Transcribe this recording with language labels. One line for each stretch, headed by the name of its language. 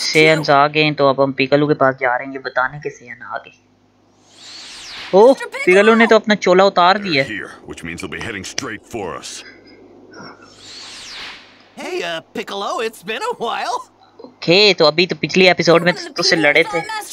Hindi: Saiyans आ गए तो अब हम पिकलो के पास जा रहे हैं बताने के Saiyan आ गए। ओह, पिकलो ने तो अपना चोला उतार दिया।
English: Here, which means he'll be heading straight for us. Hey, Piccolo, it's been a while.
Hindi: Okay, तो अभी तो पिछले एपिसोड में उससे लड़े थे।